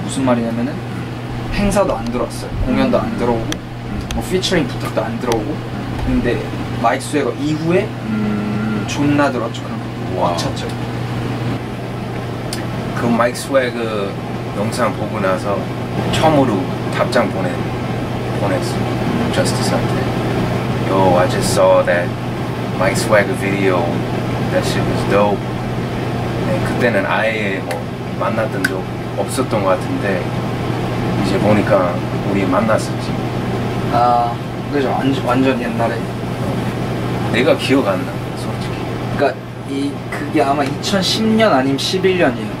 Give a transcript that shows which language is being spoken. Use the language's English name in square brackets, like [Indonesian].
[Korean] 무슨 말이냐면은 행사도 안 들어왔어요. 공연도 안 들어오고 뭐 피처링 부탁도 안 들어오고 근데 마이크 스웨거 이후에 존나 들어왔죠. 그럼 미쳤죠. 그 마이크 스웨거 영상 보고 나서 처음으로 답장 보냈어. [English] Justice 한테 Yo, I just saw that Mike Swagger video. That shit was dope. [Korean] 네, 그때는 아예 뭐 만났던 적 없었던 것 같은데 이제 보니까 우리 만났었지. 아, 그죠. 완전 옛날에. 내가 기억 안 나, 솔직히. 그러니까 그게 아마 2010년 아니면 11년이에요.